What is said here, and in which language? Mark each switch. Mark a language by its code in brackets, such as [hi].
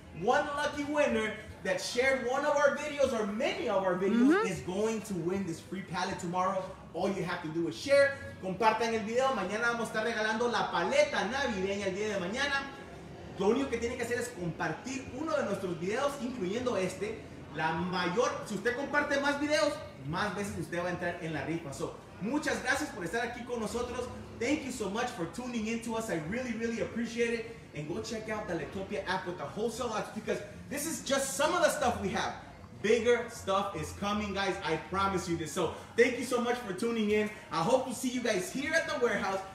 [en] One lucky winner that shared one of our videos or many of our videos mm-hmm. is going to win this free palette tomorrow. All you have to do is share. [es] Compartan el video. Mañana vamos a estar regalando la paleta navideña el día de mañana. Lo único que tiene que hacer es compartir uno de nuestros videos, incluyendo este. La mayor, si usted comparte más videos, más veces usted va a entrar en la rifa. So, muchas gracias por estar aquí con nosotros. [en] Thank you so much for tuning in to us. I really, really appreciate it. And go check out the Letopia app with the wholesale lots because this is just some of the stuff we have. Bigger stuff is coming, guys. I promise you this. So thank you so much for tuning in. I hope to see you guys here at the warehouse.